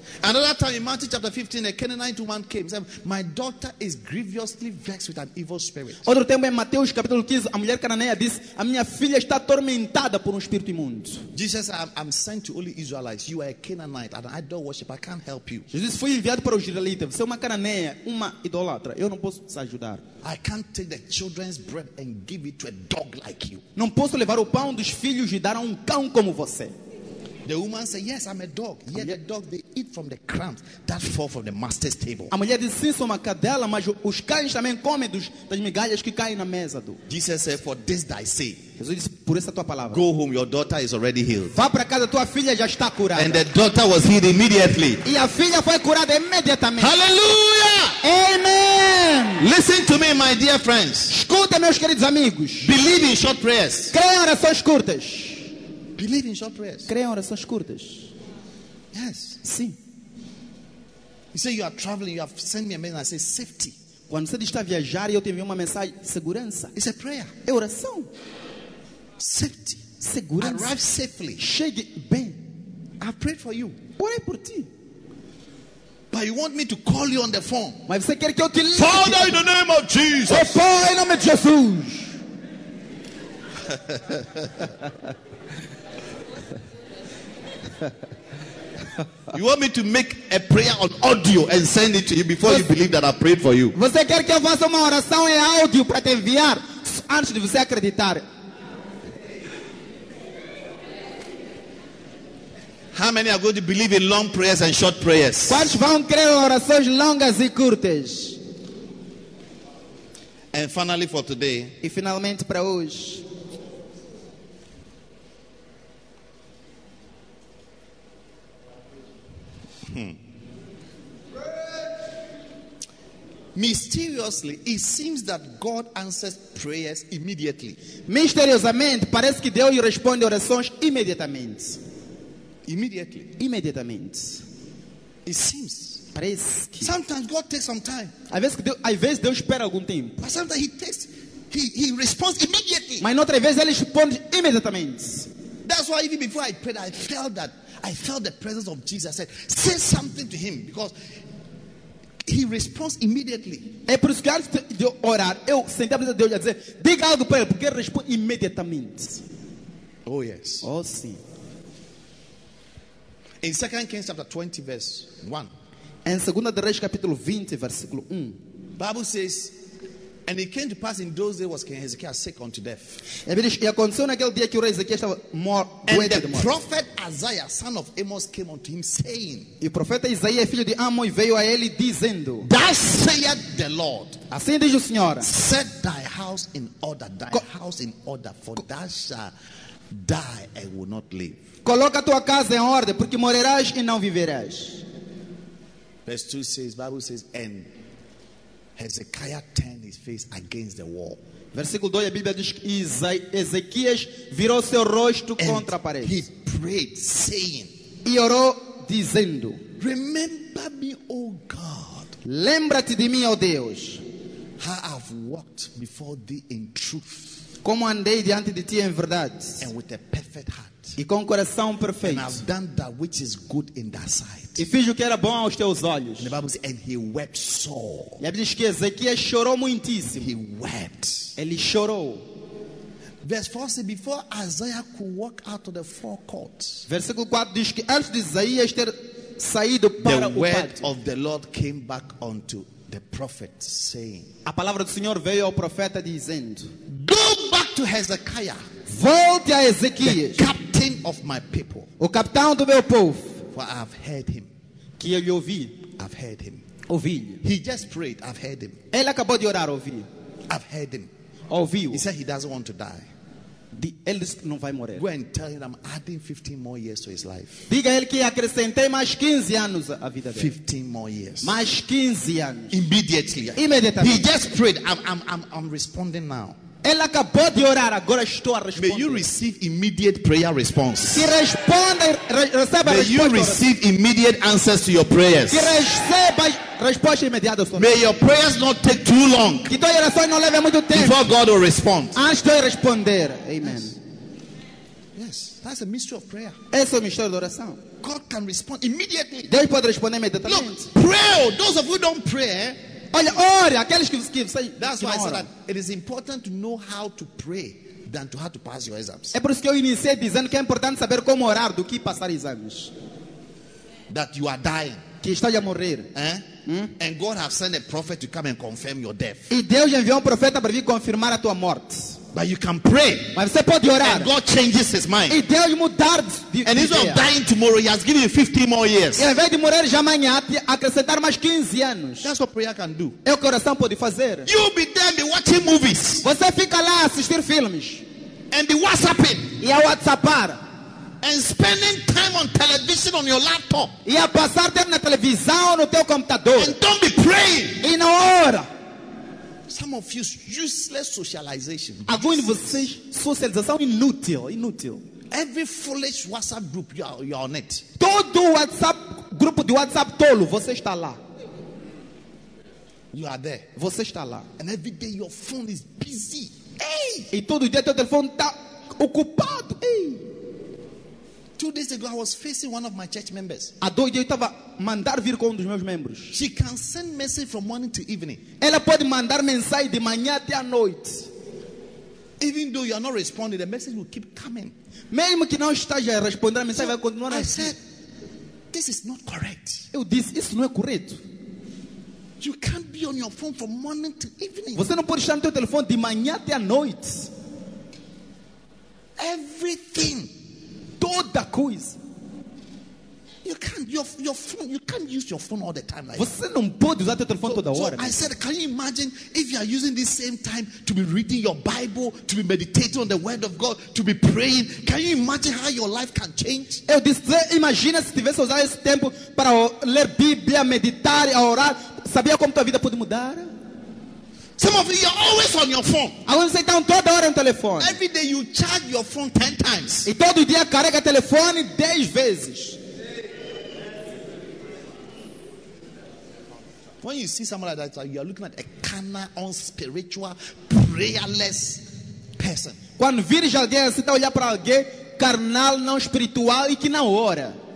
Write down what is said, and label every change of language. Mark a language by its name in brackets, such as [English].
[English] Another time in Matthew chapter 15, a Canaanite woman came and said, "My daughter is grievously vexed with an evil spirit." [Portuguese] Outro tempo em Mateus capítulo 15, a mulher cananeia disse, "A minha filha está atormentada por espírito imundo." [English] Jesus said, "I'm sent to only Israelites. You are a Canaanite, an idol worshiper. I can't help you." [Portuguese] Jesus foi enviado para os israelitas. Você é uma cananeia, uma idolatra. Eu não posso te ajudar. [English] I can't take the children's bread and give it to a dog like you. [Portuguese] Não posso levar o pão dos filhos e dar a cão como você. [English] The woman said, "Yes, I'm a dog." Yet the dog they eat from the crumbs that fall from the master's table. [Portuguese] A mulher disse, "Sim, sou uma cadela, mas os cães também comem das migalhas que caem na mesa do." [English] Jesus said, "For this I say." [Portuguese] Jesus disse, "Por essa tua palavra." [English] "Go home, your daughter is already healed." [Portuguese] Vá para casa, tua filha já está curada. [English] And the daughter was healed immediately. [Portuguese] E a filha foi curada imediatamente. Hallelujah! Amen! [English] Listen to me, my dear friends. [Portuguese] Escuta, meus queridos amigos. [English] Believe in short prayers. [Portuguese] Creia em orações curtas. [English] Believe in short prayers. [Portuguese] Creia em orações curtas. [English] Yes. [Portuguese] Sim. [English] You say you are traveling, you have sent me a message, I say safety. [Portuguese] Quando você está a viajar e eu te envio uma mensagem de segurança. [English] It's a prayer. [Portuguese] É oração. [English] Safety. [Portuguese] Segurança. [English] Arrive safely. [Portuguese] Chegue bem. [English] I prayed for you. [Portuguese] Orei por ti. [English] But you want me to call you on the phone. [Portuguese] Mas você quer que eu te ligue. [English] Father, in the name of Jesus. [Portuguese] Oh, Pai, em nome de Jesus. [English] You want me to make a prayer on audio and send it to you before you believe that I prayed for you? [Portuguese] Você quer que eu faça uma oração em áudio para te enviar antes de você acreditar? [English] How many are going to believe in long prayers and short prayers? [Portuguese] Quantos vão crer em orações longas e curtas? [English] A And finally for today. [Portuguese] E finalmente para hoje. [English] Mysteriously, it seems that God answers prayers immediately. [Portuguese] Misteriosamente, parece que Deus responde orações imediatamente. [English] Immediately. [Portuguese] Imediatamente. [English] It seems. [Portuguese] Parece que. [English] Sometimes God takes some time. [Portuguese] Às vezes Deus espera algum tempo. [English] But sometimes He responds immediately. [Portuguese] Mas outra vez Ele responde imediatamente. [English] That's why even before I prayed, I felt the presence of Jesus. I said, say something to Him because. He responds immediately. [Portuguese] É por isso que antes de orar, eu senti a presença de Deus a dizer, diga algo para ele, porque ele responde imediatamente. [English] Oh yes. [Portuguese] Oh sim. [English] In 2 Kings chapter 20 verse 1. [Portuguese] Em 2 Reis capítulo 20 versículo 1. [English] Bible says, and it came to pass in those days was King Hezekiah sick unto death. [Portuguese] E aconteceu naquele dia que o rei Ezequias estava morto. [English] And the prophet Isaiah, son of Amos, came unto him saying. [Portuguese] E o profeta Isaías, filho de Amós, veio a ele dizendo. [English] Thus saith the Lord. [Portuguese] Assim diz o Senhor. [English] Set thy house in order, for thou shalt die and will not live. [Portuguese] Coloca tua casa em ordem, porque morrerás e não viverás. [English] Verse 2 says, Bible says, and Hezekiah turned his face against the wall. [Portuguese] Versículo 2, a Bíblia diz que Ezequias virou seu rosto contra a parede. [English] He prayed, saying, [Portuguese] e orou dizendo, [English] remember me, O God. [Portuguese] Lembra-te de mim, ó Deus. [English] How I have walked before thee in truth. [Portuguese] Como andei diante de ti em verdade. [English] And with a perfect heart. [Portuguese] E com coração perfeito. [English] And I've done that which is good in thy sight. [Portuguese] E fiz o que era bom aos teus olhos. [English] And the Bible says, and he wept sore. [Portuguese] E a Bíblia diz que Ezequias chorou muitíssimo. [English] He wept. [Portuguese] Ele chorou. [English] Verse 4 says, before Isaiah could walk out of the forecourt. [Portuguese] Versículo 4 diz que antes de Isaías ter saído para o pátio. [English] The word of the Lord came back unto the prophet saying. [Portuguese] A palavra do Senhor veio ao profeta dizendo. [English] Go back to Hezekiah. [Portuguese] Volte a Ezequias. [English] The captain of my people. [Portuguese] O capitão do meu povo. [English] For I've heard him. [Portuguese] Que ele ouvi. [English] I've heard him. [Portuguese] Ouvi. [English] He just prayed. I've heard him. [Portuguese] Ele acabou de orar. Ouvi. [English] I've heard him. [Portuguese] Ouvi. [English] He said he doesn't want to die. [Portuguese] Ele disse que não vai morrer. [English] Go and tell him I'm adding 15 more years to his life. [Portuguese] Diga a ele que acrescentei mais 15 anos à vida dele. [English] 15 more years. [Portuguese] Mais 15 anos. [English] Immediately. [Portuguese] Imediatamente. [English] He just prayed. I'm responding now. [Portuguese] Ele acabou de orar, agora estou a responder. [English] May you receive immediate prayer response. [Portuguese] Que responda, receba. [English] May you receive immediate answers to your prayers. [Portuguese] Que receba resposta imediata. [English] May your prayers not take too long. [Portuguese] Que tua oração não leve muito tempo. [English] Before God will respond. [Portuguese] Antes de responder. Amen. [English] Yes. That's a mystery of prayer. [Portuguese] Esse é o mistério da oração. [English] God can respond immediately. [Portuguese] Deus pode responder imediatamente. [English] Look, pray. Those of you don't pray. [Portuguese] Olha, ore, aqueles que você [English] that's [Portuguese] que [English] why I said that it is important to know how to pray than to how to pass your exams. [Portuguese] É por isso que eu iniciei dizendo que é importante saber como orar do que passar exames. [English] That you are dying. [Portuguese] Que está a morrer. Eh? Hmm? [English] And God has sent a prophet to come and confirm your death. [Portuguese] E Deus enviou um profeta para vir confirmar a tua morte. [English] But you can pray. [Portuguese] Mas você pode orar. [English] And God changes his mind. [Portuguese] E Deus mudar de ideia. [English] And instead of dying tomorrow, he has given you 15 more years. [Portuguese] E ao invés de morrer já amanhã, acrescentar mais 15 anos. [English] That's what prayer can do. [Portuguese] É o que oração pode fazer. [English] You'll be there, be watching movies. [Portuguese] Você fica lá assistir filmes. [English] And be WhatsApping. [Portuguese] E a WhatsAppar. [English] And spending time on television on your laptop. [Portuguese] E a passar tempo na televisão ou no teu computador. [English] And don't be praying. [Portuguese] E não ora. [English] Some of you useless socialization. [Portuguese] Alguns de vocês socialização inútil, inútil. [English] Every foolish WhatsApp group you are on it. [Portuguese] Todo WhatsApp grupo de WhatsApp tolo, você está lá. [English] You are there. [Portuguese] Você está lá. [English] And every day your phone is busy. Hey! [Portuguese] E todo dia teu telefone está ocupado. Hey! [English] 2 days ago I was facing one of my church members. [Portuguese] Há 2 dias eu estava mandar vir com um dos meus membros. [English] She can send message from morning to evening. [Portuguese] Ela pode mandar mensagem de manhã até à noite. [English] Even though you are not responding, the message will keep coming. [Portuguese] Mesmo que não esteja a responder, a mensagem [English] so [Portuguese] vai continuar. [English] I said, this is not correct. [Portuguese] Eu disse, isso não é correto. [English] You can't be on your phone from morning to evening. [Portuguese] Você não pode estar no seu telefone de manhã até à noite. [English] Everything. [Portuguese] Toda coisa. [English] you can't, your phone, you can't use your phone all the time like [Portuguese] você não pode usar teu telefone toda hora. [English] So I said, can you imagine if you are using this same time to be reading your Bible, to be meditating on the word of God, to be praying? Can you imagine how your life can change? [Portuguese] Eu disse, imagina se tivesse usado esse tempo para ler Bíblia, meditar, orar, sabia como tua vida pode mudar? [English] Some of you are always on your phone. I want to say down [Portuguese] toda hora no telefone. [English] Every day you charge your phone 10 times. [Portuguese] E todo dia carrega o telefone 10 vezes. [English] When you see someone like that, you are looking at a carnal, unspiritual, prayerless person. [Portuguese] Quando vires alguém, você está olhando para alguém carnal, não espiritual e que não ora.